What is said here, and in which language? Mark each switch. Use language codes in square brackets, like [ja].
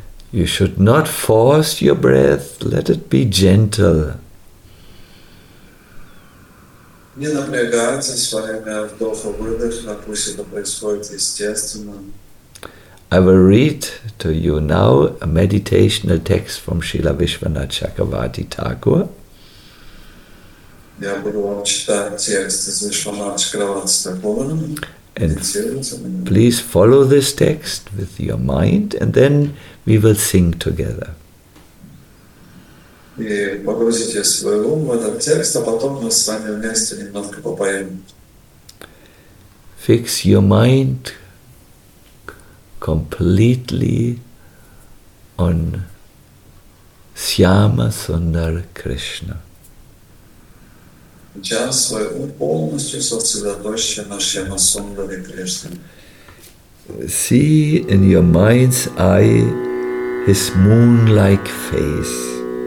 [en] You should not force your breath, let it be gentle. [ru] Не напрягайтесь во время вдоха, выдоха, пусть это происходит естественно. [en] I will read to you now a meditational text from Srila Vishwanath Chakravarti Thakur. [ru] Я буду вам читать текст из Вишванатха Чакраварти Тхакура. [en] And please follow this text with your mind, and then we will sing together. [ru] И погрузите свой ум в этот текст, а потом мы с вами вместе немножко попоем. [en] Fix your mind completely on Shyama Sundar Krishna. [ru] Сейчас свой ум полностью сосредоточен на Шьяма Сундаре Кришне. [en] See in your mind's eye his moon-like face.